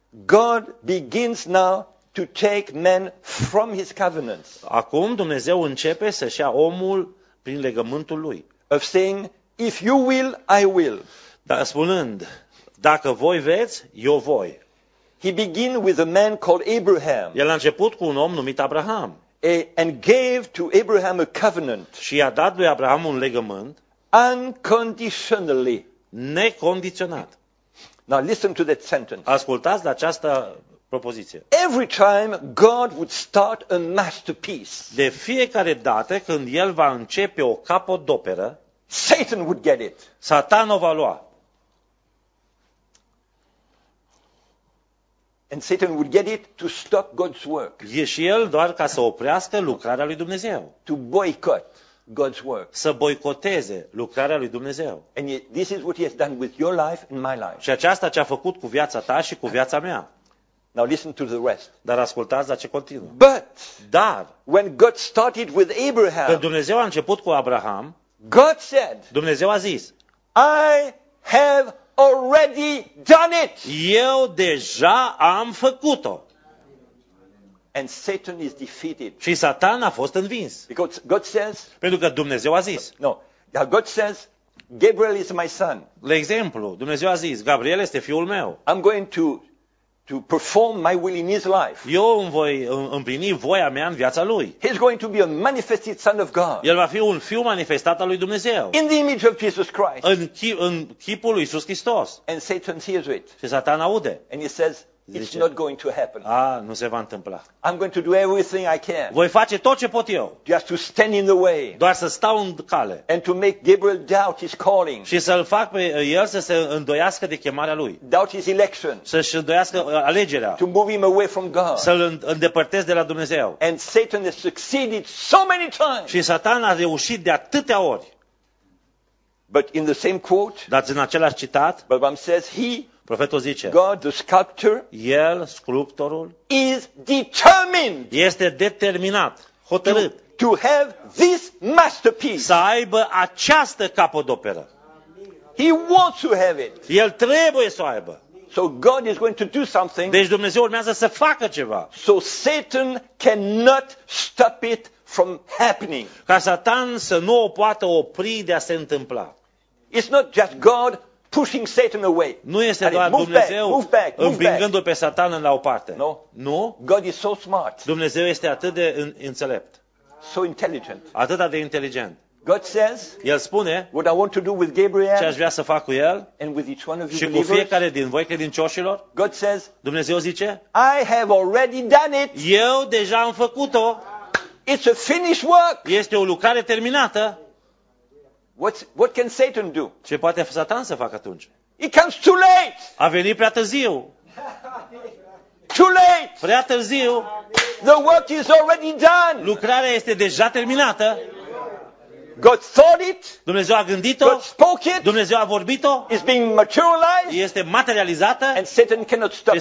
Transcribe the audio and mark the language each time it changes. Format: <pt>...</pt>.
<en>God begins now to take men from his covenant.</en> <ro>Acum Dumnezeu începe să ia omul prin legământul lui.</ro> <en>Of saying, if you will, I will.</en> <ro>Dar spunând, dacă voi veți, eu voi.</ro> <en>He begins with a man called Abraham.</en> <ro>El a început cu un om numit Abraham.</ro> <en>And gave to Abraham a covenant.</en> <ro>Și a dat lui Abraham un legământ.</ro> <en>Unconditionally.</en> <ro>Necondiționat.</ro> <en>Now listen to that sentence.</en> <ro>Ascultați la această propoziție.</ro> <en>Every time God would start a masterpiece.</en> <ro>De fiecare dată când el va începe o capodoperă,</ro> <en>Satan would get it.</en> <ro>Satan o va lua.</ro> <en>And Satan would get it to stop God's work.</en> <ro>Și el doar ca să oprească lucrarea lui Dumnezeu.</ro> <en>To boycott God's work.</en> <ro>Să boicoteze lucrarea lui Dumnezeu.</ro> <en>And this is what he has done with your life and my life.</en> <ro>Și aceasta ce a făcut cu viața ta și cu viața mea.</ro> <en>Now listen to the rest.</en> <ro>Dar ascultați la ce continuă.</ro> <en>But</en> <ro>dar</ro> <en>when God started with Abraham,</en> <ro>când Dumnezeu a început cu Abraham,</ro> <en>God said,</en> <ro>Dumnezeu a zis,</ro> <en>I have already done it.</en> <ro>Eu deja am făcut-o.</ro> <en>And Satan is defeated.</en> <ro>Și Satan a fost învins.</ro> <en>Because God says.</en> <ro>Pentru că Dumnezeu a zis.</ro> <en>No. God says, Gabriel is my son.</en> <ro>De exemplu, Dumnezeu a zis, Gabriel este fiul meu.</ro> <en>I'm going to perform my will in his life.</en> <ro>Eu îmi voi împlini voia mea în viața lui.</ro> <en>He's going to be a manifested son of God.</en> <ro>El va fi un fiu manifestat al lui Dumnezeu.</ro> <en>In the image of Jesus Christ.</en> <ro>În chipul lui Iisus Hristos.</ro> <en>And Satan hears it.</en> <ro>Și Satan aude.</ro> <en>And he says, it's not going to happen.</en> <ro>Ah, nu se va întâmpla.</ro> <en>I'm going to do everything I can.</en> <ro>Voi face tot ce pot eu.</ro> <en>Just to stand in the way.</en> <ro>Doar să stau în cale.</ro> <en>And to make Gabriel doubt his calling.</en> <ro>Și să-l fac pe el să se îndoiască de chemarea lui.</ro> <en>Doubt his election.</en> <ro>Să-și îndoiască alegerea.</ro> <en>To move him away from God.</en> <ro>Să-l îndepărtez de la Dumnezeu.</ro> <en>And Satan has succeeded so many times.</en> <ro>Și Satan a reușit de atâtea ori.</ro> <en>But in the same quote.</en> <ro>Dar în același citat.</ro> <en>Balaam says he.</en> <ro>Profetul zice,</ro> <en>God, the sculptor,</en> <ro>el, sculptorul,</ro> <en>is determined,</en> <ro>este determinat, hotărât,</ro> <en>to have this masterpiece.</en> <ro>Să aibă această capodoperă.</ro> <en>He wants to have it.</en> <ro>El trebuie să o aibă.</ro> <en>So God is going to do something.</en> <ro>Deci Dumnezeu urmează să facă ceva.</ro> <en>So Satan cannot stop it from happening.</en> <ro>Ca Satan să nu o poată opri de a se întâmpla.</ro> <en>It's not just God pushing Satan away.</en> <ro>Nu este doar Dumnezeu împingându-l pe Satan în la o parte.</ro> <en>No.</en> <ro>Nu.</ro> <en>God is so smart.</en> <ro>Dumnezeu este atât de înțelept.</ro> <en>so intelligent.</en> <ro>Atât de inteligent.</ro> <en>God says,</en> <ro>El spune,</ro> <en>what I want to do with Gabriel,</en> <ro>ce aș vrea să fac cu el,</ro> <en>and with each one of you</en> <ro>și cu fiecare din voi credincioșilor.</ro> <en>God says,</en> <ro>Dumnezeu zice,</ro> <en>I have already done it.</en> <ro>Eu deja am făcut-o.</ro> <en>It's a finished work.</en> <ro>Este o lucrare terminată.</ro> <en>What can Satan do?</en> <ro>Ce poate Satan să facă atunci?</ro> <en>It comes too late.</en> <ro>A venit prea târziu.</ro> <en>Too late.</en> <ro>Prea târziu.</ro> <en>The work is already done.</en> <ro>Lucrarea este deja terminată.</ro> <en>God thought it.</en> <ro>Dumnezeu a gândit-o.</ro> <en>God spoke it.</en> <ro>Dumnezeu a vorbit-o.</ro> <en>It's being materialized.</en> <ro>Este materializată.</ro> <en>And Satan cannot stop it.</en>